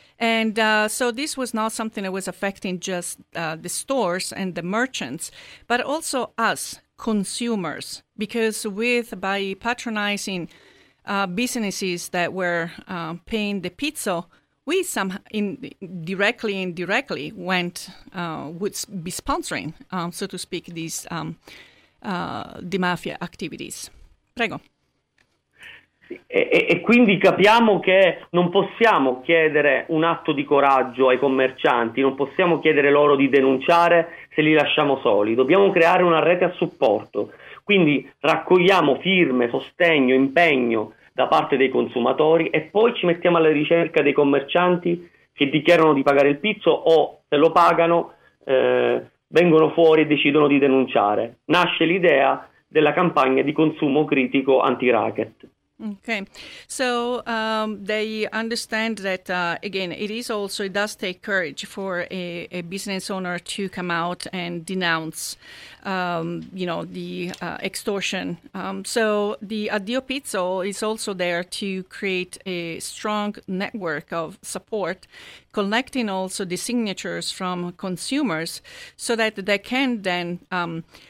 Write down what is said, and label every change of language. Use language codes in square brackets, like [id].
[en] And so this was not something that was affecting just the stores and the merchants, but also us consumers, because by patronizing businesses that were paying the pizzo, we indirectly went would be sponsoring, so to speak, these the mafia activities. [it] Prego. E quindi capiamo che non possiamo chiedere un atto di coraggio ai commercianti, non possiamo chiedere loro di denunciare se li lasciamo soli, dobbiamo creare una rete a supporto. Quindi raccogliamo firme, sostegno, impegno da parte dei consumatori e poi ci mettiamo alla ricerca dei commercianti che dichiarano di pagare il pizzo o se lo pagano vengono fuori e decidono di denunciare. Nasce l'idea della campagna di consumo critico anti-racket. [en] Okay, so they understand that, again, it is also, it does take courage for a business owner to come out and denounce, you know, the extortion. So the Addio Pizzo is also there to create a strong network of support, collecting also the signatures from consumers so that they can then